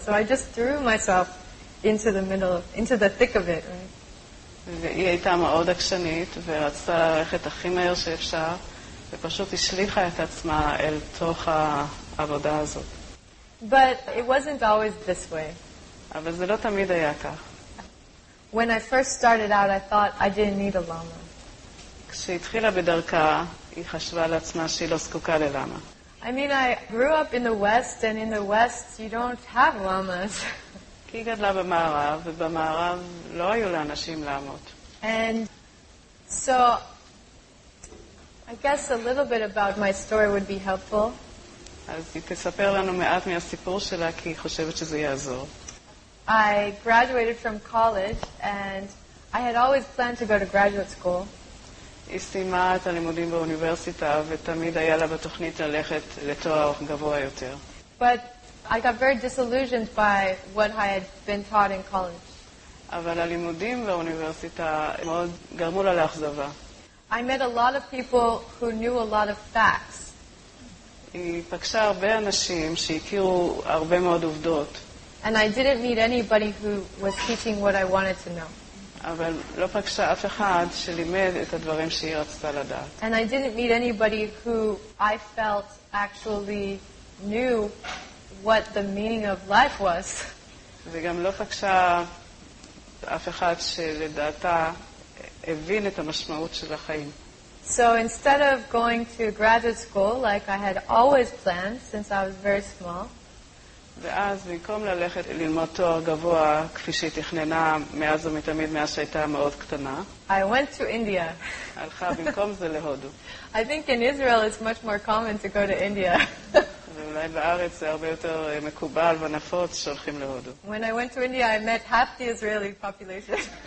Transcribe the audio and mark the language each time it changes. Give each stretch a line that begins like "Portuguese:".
English: So I just threw myself into the thick of it, right?
Hebrew: והיא הייתה מאוד עקשנית ורצתה ללכת הכי מהר שאפשר, ופשוט השליחה את עצמה אל תוך העבודה הזאת.
English: But it wasn't always this way.
Hebrew: אבל זה לא תמיד היה כך.
English: When I first started out, I thought I didn't need a lama.
Hebrew: כשהתחילה בדרכה, היא חשבה לעצמה שהיא לא זקוקה ללמה.
English: I mean, I grew up in the West, and in the West, you don't have llamas.
Hebrew: כי היא גדלה במערב, ובמערב לא היו לאנשים לאמות.
English: And so, I guess a little bit about my story would be helpful.
Hebrew: אז היא תספר לנו מעט מהסיפור שלה, כי היא חושבת שזה יעזור.
English: I graduated from college, and I had always planned to go to graduate school.
Hebrew: היא סיימה את הלימודים באוניברסיטה, ותמיד היה לה בתוכנית ללכת לתואר גבוה יותר.
English: But I got very disillusioned by what I had been taught in college.
Hebrew: אבל הלימודים באוניברסיטה מאוד גרמו לה לאכזבה.
English: I met a lot of people who knew a lot of facts.
Hebrew: היא פגשה הרבה אנשים שהכירו הרבה מאוד עובדות.
English: And I didn't meet anybody who was teaching what I wanted to know.
Hebrew: אבל לא פגשה אף אחד שלימד את הדברים שהיא רצתה לדעת.
English: And I didn't meet anybody who I felt actually knew what the meaning of life was.
Hebrew: וגם לא פגשה אף אחד שלדעתה הבין את המשמעות של החיים.
English: So instead of going to graduate school like I had always planned since I was very small,
Hebrew: ואז במקום ללכת ללמוד תואר גבוה כפי שהיא תכננה מאז ומתמיד מאז שהייתה מאוד קטנה,
English: I went to India.
Hebrew: הלכה במקום זה להודו.
English: I think in Israel it's much more common to go to India.
Hebrew: ואולי בארץ זה הרבה יותר מקובל ונפוץ שהולכים להודו.
English: When I went to India I met half the Israeli population.